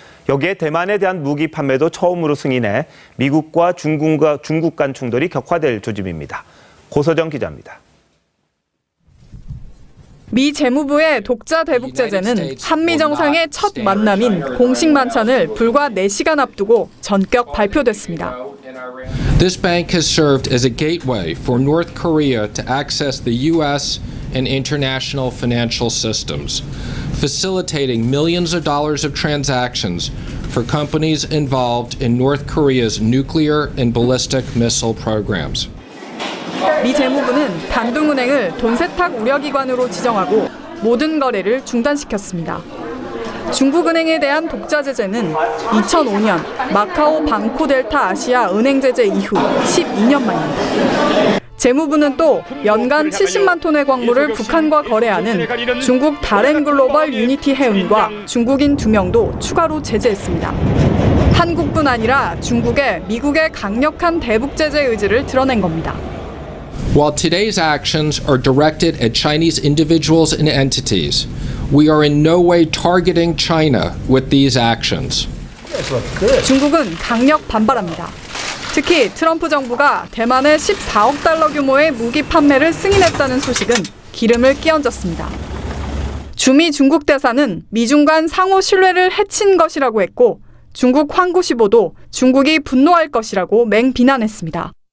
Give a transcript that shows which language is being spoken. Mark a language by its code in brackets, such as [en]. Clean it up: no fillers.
[ko] 여기에 대만에 대한 무기 판매도 처음으로 승인해 미국과 중국 간 충돌이 격화될 조짐입니다. 고서정 기자입니다. 미 재무부의 독자 대북 제재는 한미 정상의 첫 만남인 공식 만찬을 불과 4시간 앞두고 전격 발표됐습니다. [en] This bank has served as a gateway for North Korea to access the U.S. and international financial systems, facilitating millions of dollars of transactions for companies involved in North Korea's nuclear and ballistic missile programs. [ko] 미 재무부는 단둥은행을 돈세탁 우려기관으로 지정하고 모든 거래를 중단시켰습니다. 중국은행에 대한 독자 제재는 2005년 마카오 방코 델타 아시아 은행 제재 이후 12년 만입니다. 재무부는 또 연간 70만 톤의 광물을 북한과 거래하는 중국 다렌 글로벌 유니티 해운과 중국인 2명도 추가로 제재했습니다. 한국뿐 아니라 중국에 미국의 강력한 대북 제재 의지를 드러낸 겁니다. [en] While today's actions are directed at Chinese individuals and entities, we are in no way targeting China with these actions. [ko] 중국은 강력 반발합니다. 특히 트럼프 정부가 대만에 14억 달러 규모의 무기 판매를 승인했다는 소식은 기름을 끼얹었습니다. 주미 중국 대사는 미중 간 상호 신뢰를 해친 것이라고 했고, 중국 황구시보도 중국이 분노할 것이라고 맹비난했습니다.